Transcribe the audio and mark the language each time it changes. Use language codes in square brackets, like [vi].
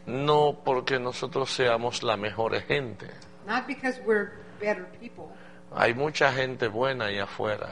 [es] No porque nosotros seamos la mejor gente. [en] Not because we're better people. [es] Hay mucha gente buena allá afuera.